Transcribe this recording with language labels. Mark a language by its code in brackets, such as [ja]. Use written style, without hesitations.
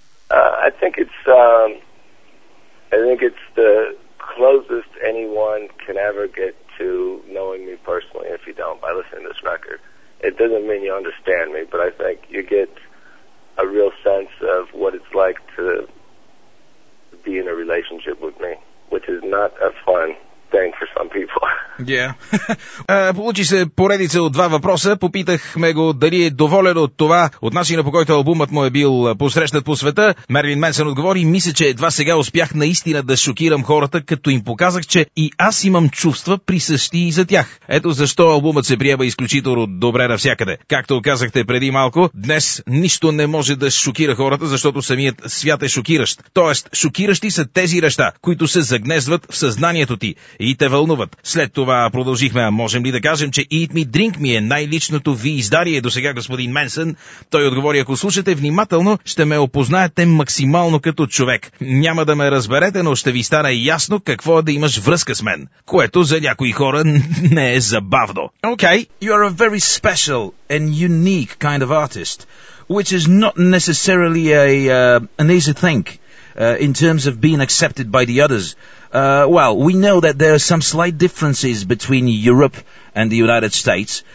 [en] I think it's the closest anyone can ever get to knowing me personally if you don't by listening to this record. It doesn't mean you understand me, but I think you get a real sense of what it's like to be in a relationship with me, which is not a fun thing for some people. Yeah. [bg] Получи се поредица от два въпроса. Попитахме го дали е доволен от това, от начина по който албумът му е бил посрещнат по света. Мервин Менсън отговори, мисля, че едва сега успях наистина да шокирам хората, като им показах, че и аз имам чувства присъщи и за тях. Ето защо албумът се приема изключително добре навсякъде. Както казахте преди малко, днес нищо не може да шокира хората, защото самият свят е шокиращ. Тоест, шокиращи са тези неща, които се загнездват в съзнанието ти и те вълнуват. След това продължихме, а можем ли да кажем, че Eat Me, Drink Me е най-личното ви издание до сега, господин Менсън? Той отговори, ако слушате внимателно, ще ме опознаете максимално като човек. Няма да ме разберете, но ще ви стане ясно какво е да имаш връзка с мен, което за някои хора не е забавно. [en] Okay, you are a very special and unique kind of artist, which is not necessarily an easy thing in terms of being accepted by the others. Well, we know that there are some slight differences between Europe and the United States.